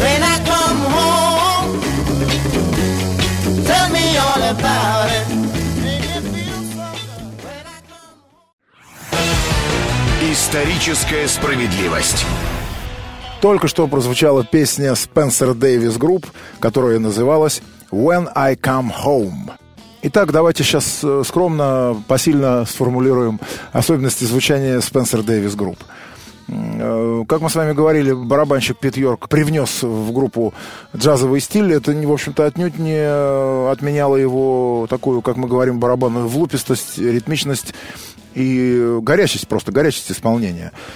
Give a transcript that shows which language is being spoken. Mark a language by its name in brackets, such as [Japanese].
[English] When I come home, tell me all about it. [Russian] Историческая справедливость. Только что прозвучала песня Spencer Davis Group, которая называлась «When I Come Home». Итак, давайте сейчас скромно, посильно сформулируем особенности звучания Spencer Davis Group. Как мы с вами говорили, барабанщик Пит Йорк привнес в группу джазовый стиль. Это, в общем-то, отнюдь не отменяло его такую, как мы говорим, барабанную влупистость, ритмичность и горячесть, просто горячесть исполнения.